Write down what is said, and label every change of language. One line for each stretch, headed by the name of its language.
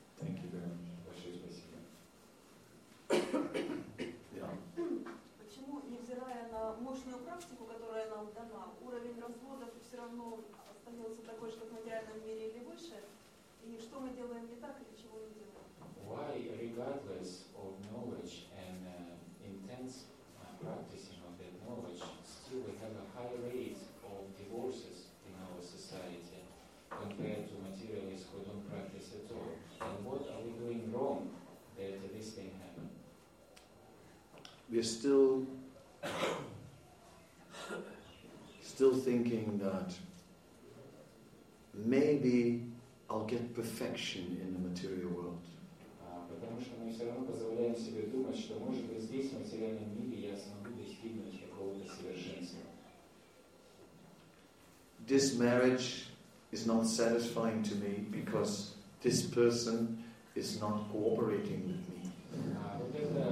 English: Thank you very much.
Russian: Большое спасибо. Почему, невзирая на мощную практику, которая нам дана, уровень разводов все равно остается такой, что в материальном мире или выше? И что мы делаем не так, или чего не делаем?
English: Why, regardless of knowledge and intense practicing of that knowledge, still we have a high rate of divorces in our society? Compared to materialists who don't practice at all. And what are we doing wrong that this thing happened? We're still thinking that maybe I'll get perfection in the material world.
Russian: Потому что мы все равно позволяем себе думать, что может быть здесь, в материальном мире, я смогу достигнуть какого-то совершенства.
English: This marriage is not satisfying to me because this person is not cooperating with me.